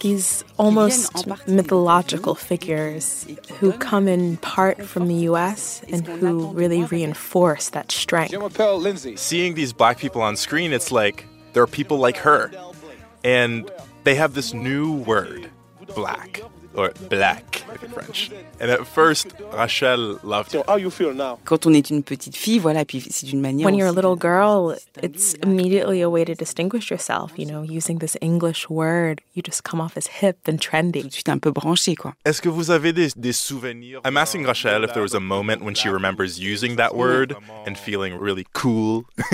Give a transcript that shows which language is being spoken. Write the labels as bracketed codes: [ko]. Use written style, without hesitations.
[en] These almost mythological figures who come in part from the U.S. and who really reinforce that strength. Seeing these black people on screen, it's like there are people like her. And they have this new word, black, or black in French. And at first, Rachel loved it. So how you feel now? [fr] Quand on est une petite fille, voilà, puis c'est d'une manière. [en] When you're a little girl, it's immediately a way to distinguish yourself, you know, using this English word. You just come off as hip and trendy. [fr] Tu es un peu branché, quoi. Est-ce que vous avez des souvenirs? [en] I'm asking Rachel if there was a moment when she remembers using that word and feeling really cool.